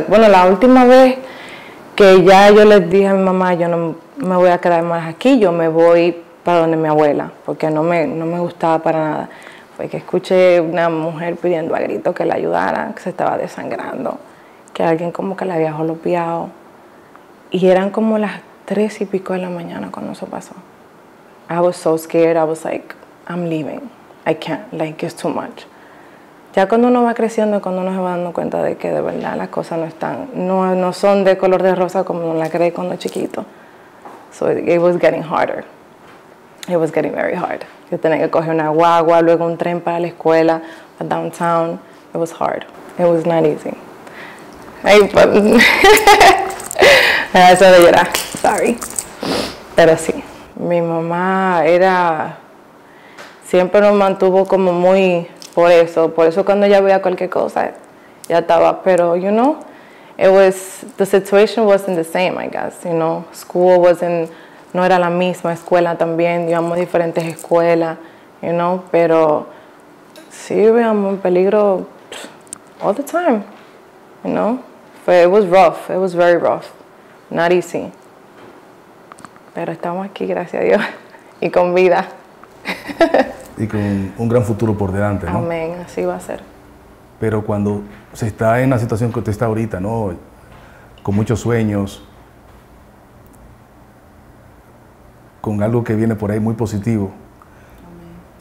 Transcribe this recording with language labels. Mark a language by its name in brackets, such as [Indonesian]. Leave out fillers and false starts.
[Spanish] Bueno, la última vez que ya yo les dije a mi mamá, yo no me voy a quedar más aquí, yo me voy para donde mi abuela, porque no me gustaba para nada. Fue que escuché una mujer pidiendo a grito que la ayudara, que se estaba desangrando, que alguien como que la había jolopeado. Y eran como las 3:00 de la mañana cuando eso pasó. [English] I was so scared, I was like, I'm leaving. I can't, like, it's too much. [Spanish] Ya cuando uno va creciendo, cuando uno se va dando cuenta de que de verdad las cosas no están, no son de color de rosa como uno la cree cuando es chiquito. [English] So it was getting harder. It was getting very hard. [Spanish] Yo tenía que coger una guagua, luego un tren para la escuela, a downtown. [English] It was hard. It was not easy. [Spanish] Ay, pero... Eso de llorar. [English] Sorry. [Spanish] Pero sí. Mi mamá era... Siempre nos mantuvo como muy... Por eso cuando ella veía cualquier cosa, ya estaba... [English] Pero, you know, it was... The situation wasn't the same, I guess. You know, school wasn't... [Spanish] No era la misma escuela también, íbamos a diferentes escuelas, [English] you know, [Spanish] pero sí veíamos en peligro [English] all the time, you know. But it was rough, it was very rough, not easy. [Spanish] Pero estamos aquí, gracias a Dios, y con vida. Y con un gran futuro por delante, ¿no? Amén, así va a ser. Pero cuando se está en la situación que usted está ahorita, ¿no? Con muchos sueños, con algo que viene por ahí muy positivo. Amén.